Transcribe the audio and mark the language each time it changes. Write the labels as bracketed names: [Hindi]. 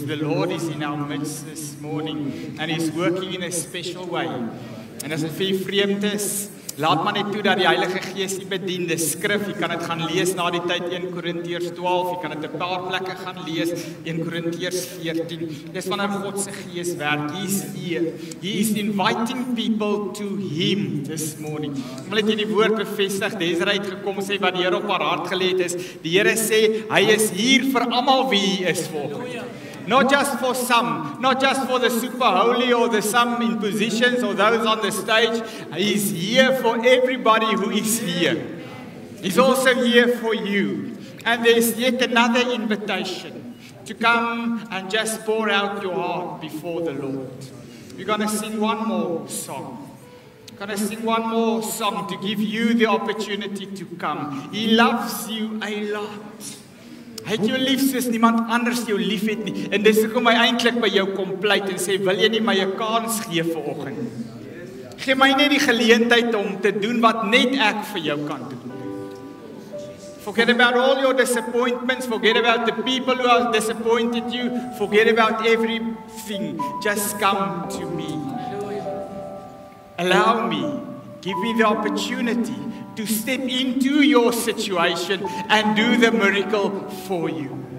[English] The Lord is in our midst this morning and he's working in a special way. [Afrikaans] En as dit vir vreemd is, laat maar net toe dat die Heilige Gees die bediende skrif, jy kan dit gaan lees na die tyd 1 Korintiërs 12, jy kan dit 'n paar plekke gaan lees, 1 Korintiërs 14, dis wanneer God se Gees werk, He is inviting people to Him this morning. Ek wil dit in die woord bevestig, Desiree het gekom sê wat die Here op haar hart gelê het is, die Here sê, hy is hier vir almal wie hy is volgens. [English] Not just for some, not just for the super holy or the some in positions or those on the stage. He's here for everybody who is here. He's also here for you. And there's yet another invitation to come and just pour out your heart before the Lord. We're going to sing one more song. Can I sing one more song to give you the opportunity to come? He loves you a lot. [Afrikaans] Hy het jou lief soos niemand anders jou lief het nie. En dis hoekom hy eintlik by jou kom pleit en sê, wil jy nie my 'n kans gee vanoggend? Gee my net die geleentheid om te doen wat net ek vir jou kan doen. [English] Forget about all your disappointments. Forget about the people who have disappointed you. Forget about everything. Just come to me. Allow me. Give me the opportunity to step into your situation and do the miracle for you.